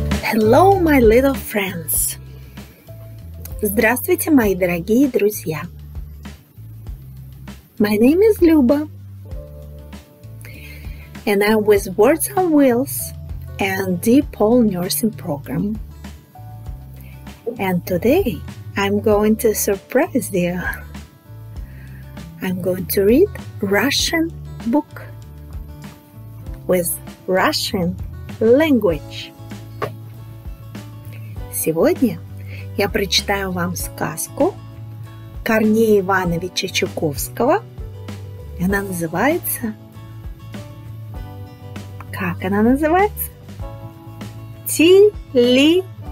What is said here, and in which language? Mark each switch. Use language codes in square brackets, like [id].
[en] Hello, my little friends. [ru] Здравствуйте, мои дорогие друзья. [en] My name is Luba. And I'm with Words on Wheels and Deep Hole Nursing Program. And today, I'm going to surprise you. I'm going to read Russian book with Russian language. [ru] Сегодня я прочитаю вам сказку Корнея Ивановича Чуковского. Она называется... Как она называется? Телефон.